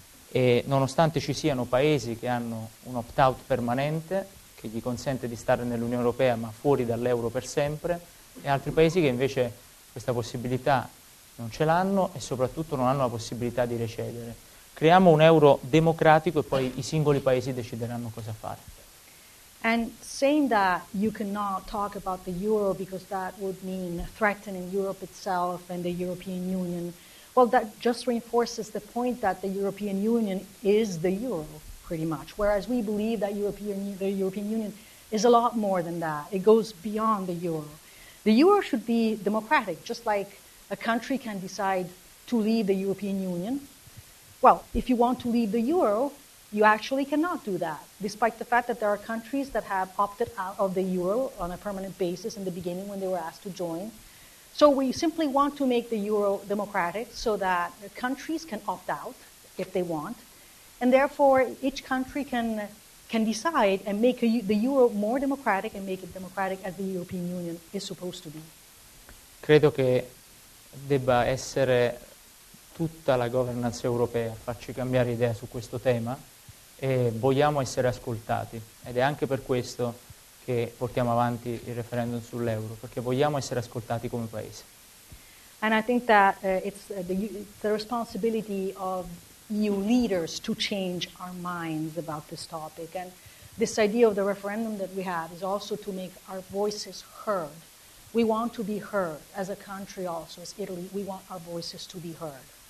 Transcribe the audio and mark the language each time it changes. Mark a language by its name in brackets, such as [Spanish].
[Italian] E nonostante ci siano paesi che hanno un opt-out permanente, che gli consente di stare nell'Unione Europea ma fuori dall'euro per sempre, e altri paesi che invece questa possibilità non ce l'hanno e soprattutto non hanno la possibilità di recedere. Creiamo un euro democratico e poi i singoli paesi decideranno cosa fare. [English] And saying that you cannot talk about the euro because that would mean threatening Europe itself and the European Union, well, that just reinforces the point that the European Union is the euro, pretty much. Whereas we believe that the European Union is a lot more than that. It goes beyond the euro. The euro should be democratic, just like a country can decide to leave the European Union. Well, if you want to leave the euro, you actually cannot do that, despite the fact that there are countries that have opted out of the euro on a permanent basis in the beginning when they were asked to join. So we simply want to make the euro democratic so that countries can opt out if they want, and therefore each country can decide and make the euro more democratic and make it democratic as the European Union is supposed to be. [Italian] Credo che debba essere tutta la governance europea a farci cambiare idea su questo tema, e vogliamo essere ascoltati, ed è anche per questo che portiamo avanti il referendum sull'euro, perché vogliamo essere ascoltati come paese. [English] And I think that it's the responsibility of EU leaders to change our minds about this topic. And this idea of the referendum that we have is also to make our voices heard. We want to be heard as a country also, as Italy. We want our voices to be heard.